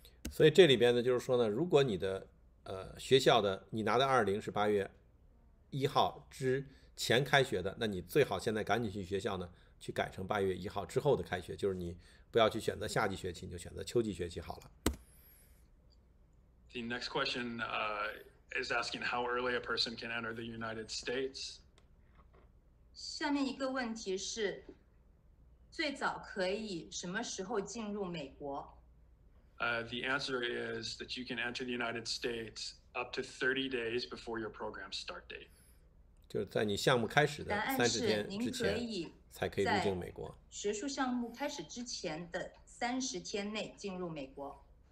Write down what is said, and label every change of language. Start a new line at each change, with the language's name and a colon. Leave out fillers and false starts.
Chinese: 所以这里边呢，就是说呢，如果你的学校的你拿的二零是八月一号之前开学的，那你最好现在赶紧去学校呢去改成八月一号之后的开学，就是你不要去选择夏季学期，你就选择秋季学期好了。
English: The next question is asking how early a person can enter the United States.
Chinese: 下面一个问题是，最早可以什么时候进入美国？
English: The answer is that you can enter the United States up to 30 days before your program start date.
Chinese: 就是在你项目开始的三十天之前，才可以入境美国。学术项目开始之前的三十天内进入美国。